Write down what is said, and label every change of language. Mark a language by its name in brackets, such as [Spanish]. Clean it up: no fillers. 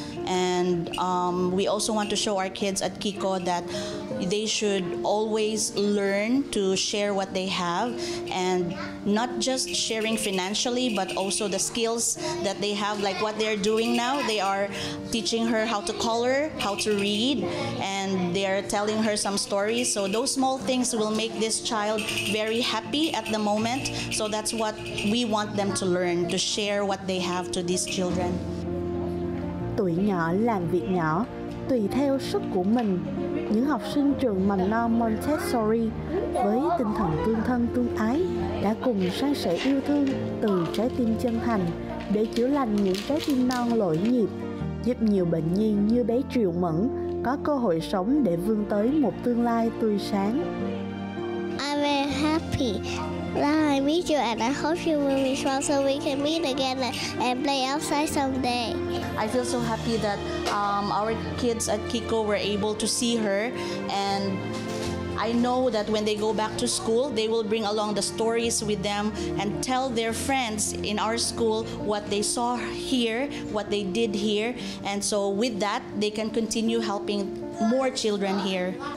[English] And we also want to show our kids at Kiko that they should always learn to share what they have, and not just sharing financially, but also the skills that they have, like what they're doing now. They are teaching her how to color, how to read, and they are telling her some stories. So those small things will make this child very happy at the moment. So that's what we want them to learn, to share what they have to these children. [Vietnamese] Tuổi nhỏ làm việc nhỏ, tùy theo sức của mình. Những học sinh trường mầm non Montessori với tinh thần tương thân tương ái đã cùng san sẻ yêu thương từ trái tim chân thành để chữa lành những trái tim non lỗi nhịp, giúp nhiều bệnh nhi như bé Triệu Mẫn có cơ hội sống để vươn tới một tương lai tươi sáng. [English] I'm very happy that I meet you, and I hope you will be strong so we can meet again and play outside someday. I feel so happy that our kids at Kiko were able to see her, and I know that when they go back to school, they will bring along the stories with them and tell their friends in our school what they saw here, what they did here, and so with that, they can continue helping more children here.